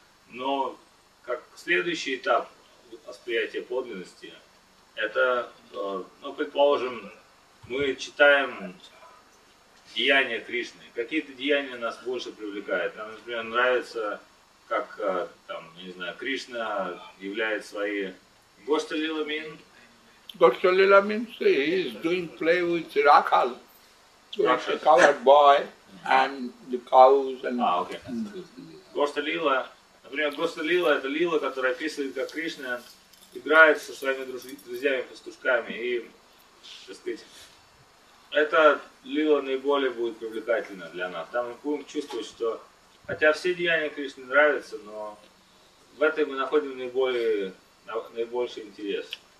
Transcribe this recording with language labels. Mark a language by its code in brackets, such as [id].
[ru] Но как следующий этап восприятия подлинности, это, ну, предположим, мы читаем деяния Кришны. Какие-то деяния нас больше привлекают. Нам, например, нравится, как, там, не знаю, Кришна являет свои гоштолиламин. [en] Гоштолиламин, he is doing play with Rakhal. It's a colored boy and the cows and... [ru] Госта Лила. Например, Госта Лила – это Лила, которая описывает, как Кришна играет со своими друзьями-пастушками. И, так сказать, эта Лила наиболее будет привлекательна для нас. Там мы будем чувствовать, что... Хотя все деяния Кришны нравятся, но в этой мы находим наибольший интерес.